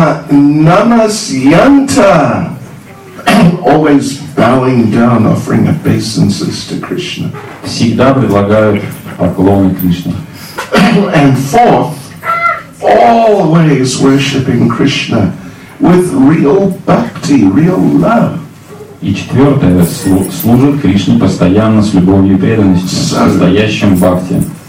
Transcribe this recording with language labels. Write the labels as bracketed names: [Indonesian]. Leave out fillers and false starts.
[Sanskrit] Намас янта [English] always bowing down, offering obeisances to Krishna. [Russian] Всегда предлагают поклоны Кришне. [English] And fourth, always worshipping Krishna with real bhakti, real love. [Russian] И четвертое, служит Кришне постоянно с любовью и преданностью, с настоящим бхакти.